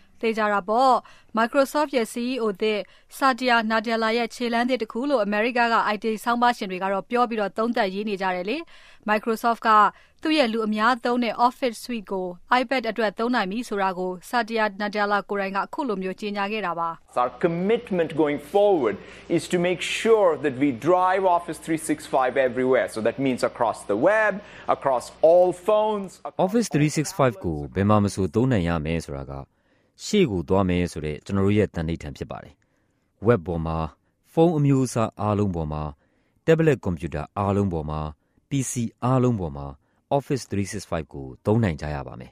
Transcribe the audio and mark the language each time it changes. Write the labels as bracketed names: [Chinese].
[Burmese] သိကြတာပေါ့ Microsoft ရဲ့ CEO တဲ့ Satya Nadella ရဲ့ခြေလှမ်းတဲ့တခုလို့ America က IT ဆောင်ပါရှင်တွေကတော့ပြောပြီးတော့သုံးသပ်ရေးနေကြတယ်လေ Microsoft ကသူရဲ့လူအများသုံးတဲ့ Office Suite ကို iPad အတွက်သုံးနိုင်ပြီဆိုတာကို Satya Nadella ကိုယ်တိုင်ကအခုလိုမျိုးကြေညာခဲ့တာပါ [English] Our commitment going forward is to make sure that we drive Office 365 everywhere so that means across the web across all phones [Burmese] Office 365ကိုဘယ်မှာမဆိုသုံးနိုင်ရမယ်ဆိုတာကရှေ့ကိုသွားမယ်ဆိုတဲ့ကျွန်တော်ရဲ့တန်ဋိဌာန်ဖြစ်ပါတယ် Web ပေါ်မှာဖုန်းအမျိုးအစားအားလုံးပေါ်မှာ Tablet Computer အားလုံးပေါ်မှာ PC အားလုံးပေါ်မှာOffice 365ကိုသုံးနိုင်ကြရပါမယ်